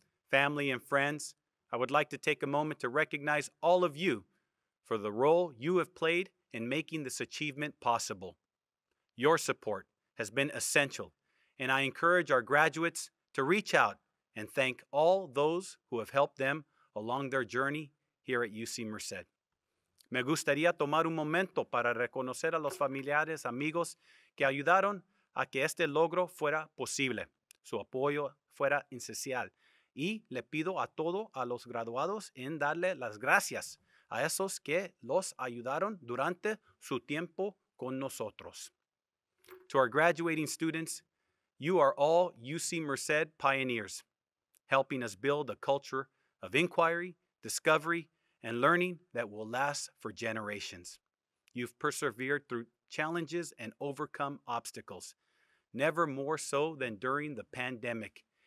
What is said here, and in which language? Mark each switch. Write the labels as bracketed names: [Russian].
[English] Family and friends, I would like to take a moment to recognize all of you for the role you have played in making this achievement possible. Your support has been essential, and I encourage our graduates to reach out and thank all those who have helped them along their journey here at UC Merced. [Spanish] Me gustaría tomar un momento para reconocer a los familiares, amigos que ayudaron a que este logro fuera posible. Su apoyo fuera esencial. Y le pido a todos a los graduados en darle las gracias a esos que los ayudaron durante su tiempo con nosotros. [English] To our graduating students, you are all UC Merced pioneers, helping us build a culture of inquiry, discovery, and learning that will last for generations. You've persevered through challenges and overcome obstacles, never more so than during the pandemic.